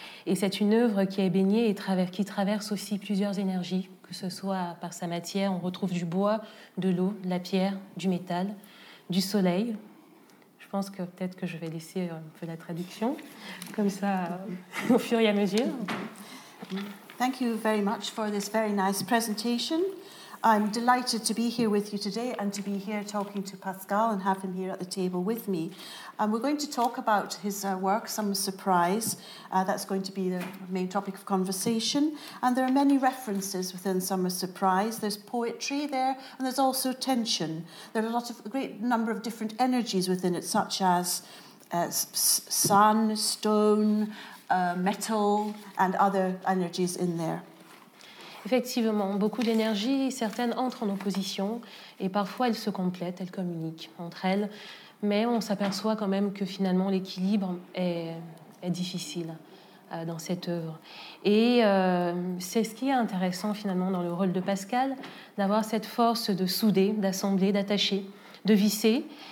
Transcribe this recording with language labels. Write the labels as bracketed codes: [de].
[fr] Et c'est une œuvre qui est baignée et qui traverse aussi plusieurs énergies, que ce soit par sa matière. On retrouve du bois, de l'eau, de la pierre, du métal, du soleil. Je pense que peut-être que je vais laisser un peu la traduction, comme ça, au fur et à mesure. [en] Thank you very much for this very nice presentation. I'm delighted to be here with you today and to be here talking to Pascal and have him here at the table with me. We're going to talk about his work, Summer Surprise. That's going to be the main topic of conversation. And there are many references within Summer Surprise. There's poetry there, and there's also tension. There are a great number of different energies within it, such as sun, stone, metal, and other energies in there. [fr] Effectivement, beaucoup d'énergie, certaines entrent en opposition et parfois elles se complètent, elles communiquent entre elles, mais on s'aperçoit quand même que finalement l'équilibre est difficile dans cette œuvre. Et c'est ce qui est intéressant finalement dans le rôle de Pascal, d'avoir cette force de souder, d'assembler, d'attacher, de visser.